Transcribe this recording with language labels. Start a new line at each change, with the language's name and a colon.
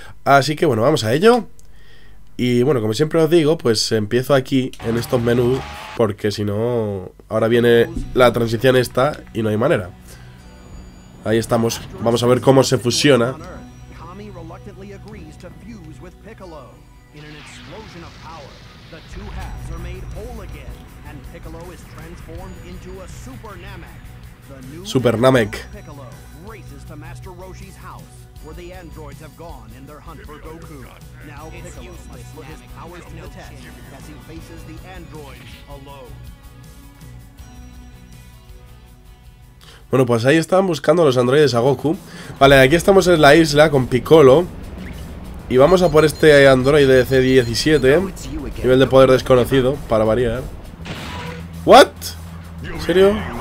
Spanish: Así que bueno, vamos a ello. Y bueno, como siempre os digo, pues empiezo aquí, en estos menús, porque si no, ahora viene la transición esta y no hay manera. Ahí estamos, vamos a ver cómo se fusiona.
English: Kami reluctantly agrees to fuse with Piccolo. In an explosion of power, the two halves are made whole again, and Piccolo is transformed into a Super Namek. The new Super Namek Piccolo races to Master Roshi's house, where the androids have gone in their hunt for Goku. Now Piccolo must put his powers to the test as he faces the androids alone.
Spanish: Bueno, pues ahí están buscando a los androides a Goku. Vale, aquí estamos en la isla con Piccolo. Y vamos a por este androide C-17. Nivel de poder desconocido, para variar. ¿What? ¿En serio?